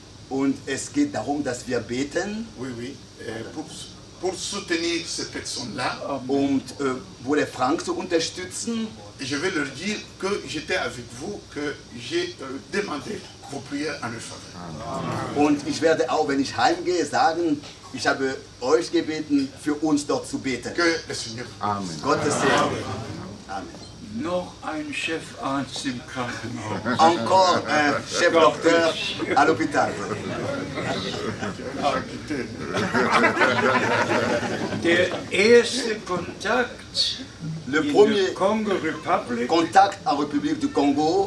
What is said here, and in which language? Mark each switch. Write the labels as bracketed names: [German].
[German] Und es geht darum, dass wir beten, [French] oui, oui. Pour soutenir ces personnes-là, [German] und Bruder Frank zu unterstützen. [French] Je vais leur dire que j'étais avec vous, que j'ai demandé vos prières en leur faveur. [German] Und ich werde auch, wenn ich heimgehe, sagen, ich habe euch gebeten, für uns dort zu beten. [French] Que le Seigneur. [German] Amen. Gottes Segen. Amen. Amen. Noch ein Chefarzt im Krankenhaus. [French] Encore un chef docteur à l'hôpital. [German] Der erste Kontakt [French] le premier [English] Congo Republic, [French] Kontakt en République du Congo